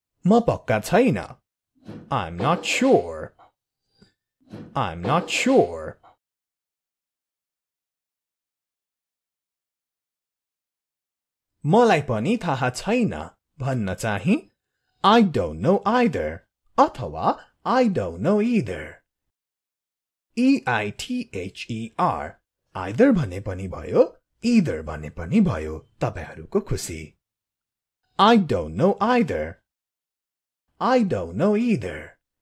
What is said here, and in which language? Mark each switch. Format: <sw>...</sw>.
<ne>म पक्का छैन.</ne> <en>I'm not sure. I'm not sure.</en> <ne>मलाई पनि थाहा छैन भन्न चाहिँ</ne> <en>I don't know either.</en> <ne>अथवा</ne> <en>I don't know either. E-I-T-H-E-R.</en> <ne>Either भने पनि भयो, either भने पनि भयो. तपाईँहरूको खुसी.</ne> <en>I don't know either. I don't know either.</en>